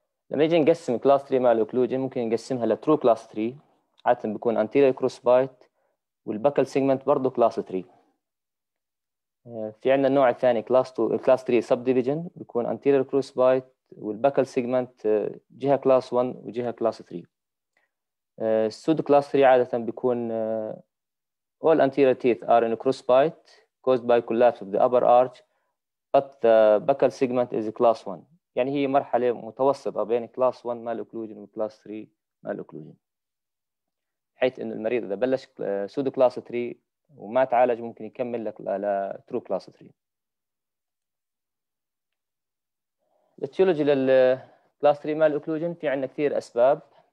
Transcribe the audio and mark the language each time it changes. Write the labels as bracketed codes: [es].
[ar] لما نيجي نقسم كلاس 3 مال اوكلوجن ممكن نقسمها لترو كلاس 3 عاده بيكون انتيريور كروس بايت والباكل سيجمنت برضه كلاس 3. في عندنا النوع الثاني كلاس 2 كلاس 3 سب ديفيجن بيكون انتيريور كروس بايت والباكل سيجمنت جهه كلاس 1 وجهه كلاس 3. السود كلاس 3 عادة بيكون [en] all anterior teeth are in a cross bite caused by collapse of the upper arch but the buccal segment is class 1. [ar] يعني هي مرحلة متوسطة بين class 1 مال اوكلوجن وكلاس 3 مال اوكلوجن. حيث انه المريض اذا بلش سودو كلاس 3 وما تعالج ممكن يكمل لك على ترو كلاس 3. الاتيولوجي للكلاس 3 مال اوكلوجن في عندنا كثير اسباب.